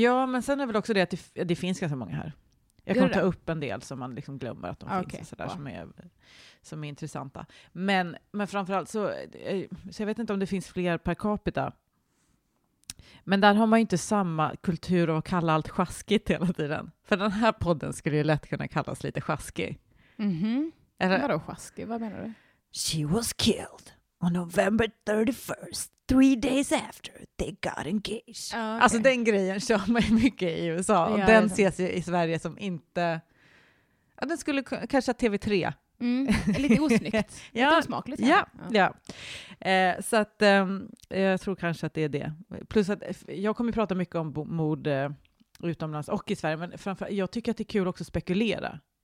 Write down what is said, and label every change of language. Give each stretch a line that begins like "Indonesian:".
Swedish: Ja, men sen är väl också det att det finns ganska många här. Jag kommer ta upp en del som man liksom glömmer att de finns och sådär, som är intressanta. Men framförallt så jag vet inte om det finns fler per capita. Men där har man ju inte samma kultur att kalla allt schaskigt hela tiden. För den här podden skulle ju lätt kunna kallas lite schaskig. Mm-hmm. Eller? Vadå sjaskig, vad menar du?
English: She was killed on November 31st, 3 days after they got engaged. Ah, okay.
Swedish: Alltså den grejen kör man ju mycket i USA. Ja, och den ses ju i Sverige som inte... Ja, den skulle kanske ha TV3. Mm, lite osnyggt. Ja, lite osmakligt. Ja, ja, ja. Så att jag tror kanske att det är det. Plus att jag kommer prata mycket om mord utomlands och i Sverige. Men framförallt, jag tycker att det är kul också att spekulera.